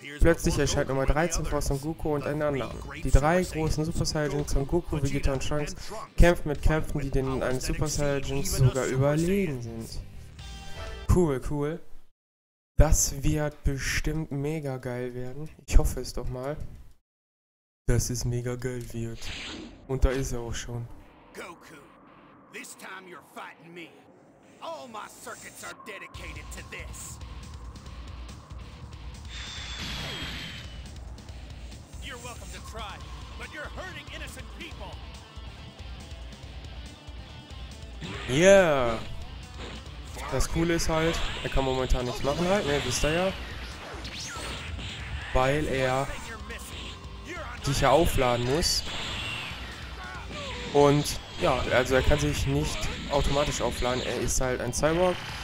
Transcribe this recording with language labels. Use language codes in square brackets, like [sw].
[de] Plötzlich erscheint Nummer 13 vor Son Goku und einen anderen. Die drei großen Super Saiyajins Son Goku, Vegeta und Trunks kämpfen mit Kämpfen, die den einen Super Saiyajin sogar überlegen sind. Cool, cool. Das wird bestimmt mega geil werden. Ich hoffe es doch mal, dass es mega geil wird. Und da ist er auch schon. [en] Goku, this time you're fighting me. All my circuits are dedicated to this. You're welcome to try, but you're hurting innocent people. Yeah. [de] Das Coole ist halt, er kann momentan nichts machen halt, ne, wisst ihr ja. Weil er sich ja aufladen muss. Und ja, also er kann sich nicht automatisch aufladen, er ist halt ein Cyborg.